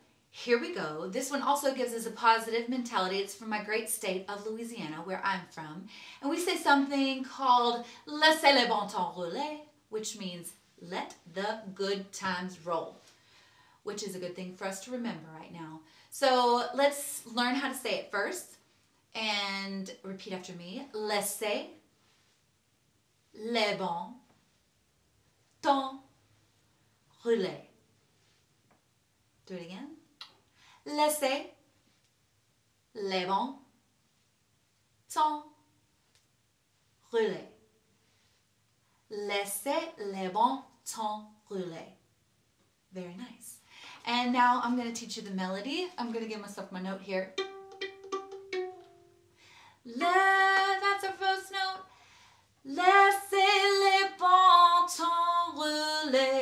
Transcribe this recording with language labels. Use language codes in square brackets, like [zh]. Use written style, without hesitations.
[en] Here we go. This one also gives us a positive mentality. It's from my great state of Louisiana, where I'm from. And we say something called [fr] Laissez le bon temps rouler, [en] which means let the good times roll, which is a good thing for us to remember right now. So let's learn how to say it first and repeat after me. [fr] Laissez le bon temps rouler. [en] Do it again. [fr] Laissez le bon temps rouler. Laissez le bon temps rouler. [en] Very nice. And now I'm going to teach you the melody. I'm going to give myself my note here. Le, that's our first note. [fr] Laissez le bon temps rouler.